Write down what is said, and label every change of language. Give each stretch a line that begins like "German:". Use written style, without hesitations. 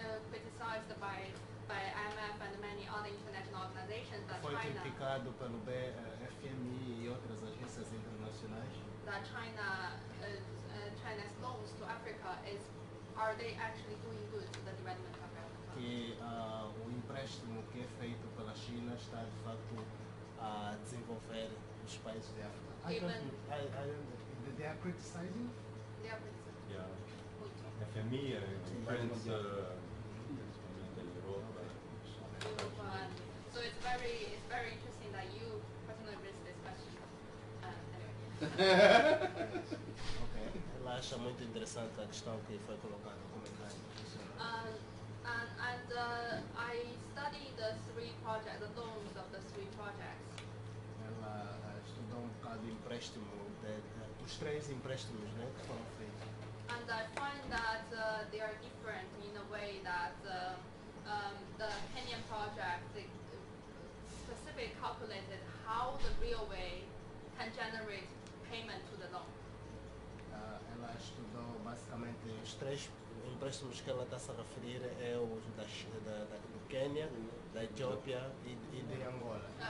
English: Criticized by IMF and many other international organizations, that
Portuguese: foi criticado pelo FMI e outras agências internacionais.
English: That China's loans to Africa are they actually doing good to the development of Africa?
Portuguese: Que o empréstimo que é feito pela China está de fato a desenvolver os países de África.
English: They are criticizing? They are criticizing.
Portuguese: Yeah. FMI, imprensa, principalmente em Europa.
English: So it's very interesting that you personally raised this question.
Portuguese: Okay. Ela acho muito interessante a questão que foi colocada como engenheiro.
English: I studied the three projects, the loans of the three projects.
Portuguese: Ela estudou um bocado o empréstimo, os três empréstimos, né, que foram feitos.
English: And I find that they are different in a way that the Kenyan project specifically calculated how the railway can generate payment to the loan.
Portuguese: Ela estudou basicamente os três empréstimos que ela está a se referir é os do Quênia, da Etiópia e de Angola.